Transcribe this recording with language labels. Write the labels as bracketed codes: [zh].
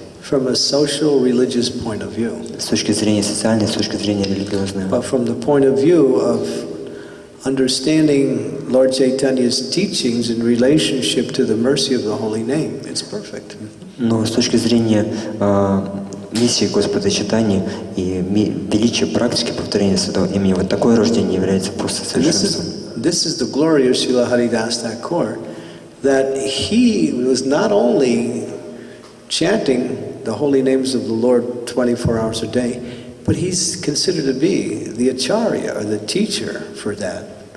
[en] From a social religious point of view. [ru] С точки зрения социальной, с точки зрения религиозной. [en] But from the point of view of understanding Lord Chaitanya's teachings in relationship to the mercy of the Holy Name, it's perfect. [ru] Но с точки зрения миссии Господа Чайтаньи и величия практики повторения Святого Имени, вот такое рождение является просто совершенством. [en] This is the glory of Srila Haridas Thakur, that he was not only chanting the holy names of the Lord 24 hours a day, but he's considered to be the acharya, or the teacher for that.